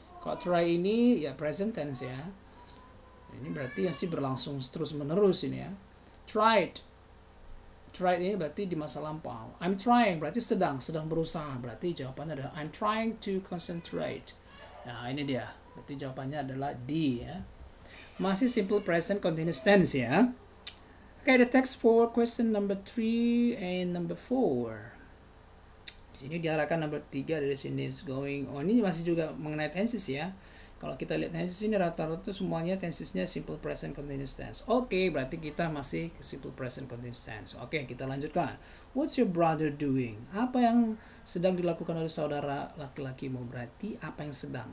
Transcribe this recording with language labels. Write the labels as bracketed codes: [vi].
[id] Kalau try ini ya present tense ya. Ini berarti yang sih berlangsung terus-menerus ini ya. Tried. Tried ini berarti di masa lampau. [en] I'm trying [id] berarti sedang berusaha. Berarti jawabannya adalah [en] I'm trying to concentrate. [id] Nah, ini dia. Berarti jawabannya adalah D ya. Masih simple present continuous tense ya. [en] Okay, the text for question number 3 and number 4. [id] Di sini diarahkan number 3 dari sini [en] is going. [id] Oh, ini masih juga mengenai tenses ya. Kalau kita lihat tenses ini rata-rata semuanya tensesnya simple present continuous tense. Okay, berarti kita masih ke simple present continuous tense. Okay, kita lanjutkan. [en] What's your brother doing? [id] Apa yang sedang dilakukan oleh saudara laki-laki mau berarti apa yang sedang?